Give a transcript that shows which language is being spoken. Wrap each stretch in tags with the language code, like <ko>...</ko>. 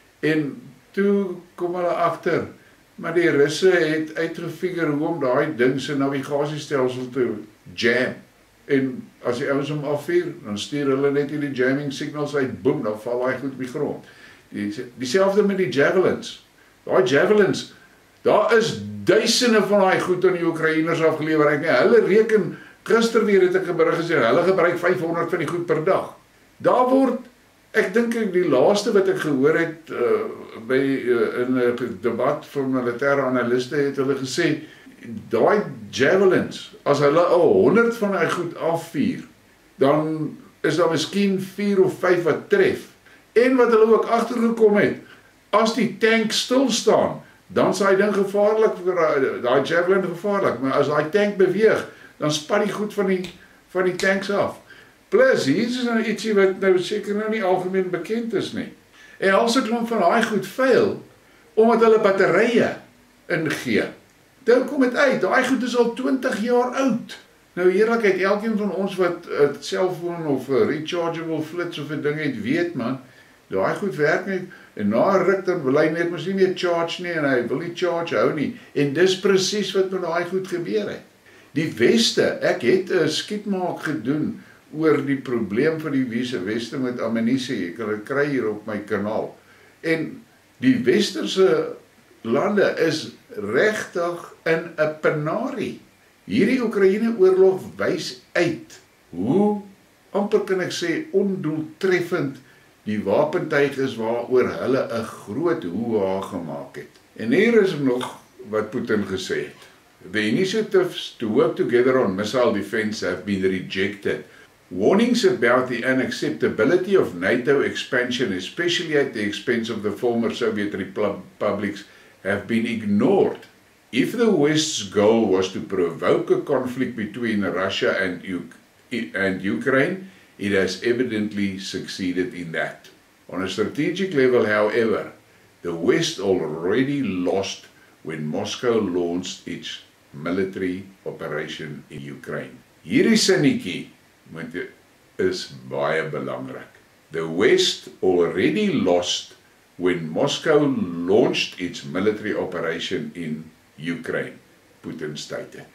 <af>En toe kom hulle agter, maar die Russe het uitgefigure hoe om daai ding se navigasiestelsel te jam. En as die ouens hom afvuur, dan stuur hulle net hierdie jamming signals uit, boom, dan val hy goed op die grond. Dieselfde met die javelins. Daai javelins, daar is duisende van daai goed aan die Oekraïners afgelewer. Ek nie, hulle reken, gister weer het ek 'n berig gesien, hulle gebruik 500 van die goed per dag. Daar word, ek dink die laaste wat ek gehoor het, in 'n debat van militêre analiste, het hulle gesê, daai javelins, as hulle 100 van die goed afvuur, dan is daar miskien 4 of 5 wat tref. En wat hulle ook agtergekom het, as die tank stilstaan, dan is die ding gevaarlik, die javelin gevaarlik, maar as die tank beweeg, dan spat die goed van die tanks af. Plus, hier is nou ietsie wat nou seker nou nie algemeen bekend is nie. En al se klomp van die goed fail, omdat hulle batterye ingee. Dan kom het uit, die goed is al 20 jaar oud. Nou heerlijkheid, elkeen van ons wat het cellphone of rechargeable flits of die ding het, weet man, die goed werk nie. En na een ruk, dan wil hy net mis nie meer charge nie, en hy wil nie charge hou nie. En dis precies wat met daai goed gebeur het. Die Weste, ek het 'n skietmaak gedoen oor die probleem van die Weste met ammunisie. Ek kan dit kry hier op my kanaal. En die Westerse lande is regtig in 'n penarie. Hierdie Oekraïne oorlog wys uit hoe, amper kan ek sê, ondoeltreffend die wapentuig is waaroor hulle 'n groot hoo-ha gemaak het. En hier is nog wat Putin gesê het.</af> <en>The initiatives to work together on missile defense have been rejected. Warnings about the unacceptability of NATO expansion, especially at the expense of the former Soviet republics, have been ignored. If the West's goal was to provoke a conflict between Russia and Ukraine, it has evidently succeeded in that. On a strategic level, however, the West already lost when Moscow launched its military operation in Ukraine.</en> <af>Hierdie sinnetjie is baie belangrik.</af> <en>The West already lost when Moscow launched its military operation in Ukraine, Putin state.</en>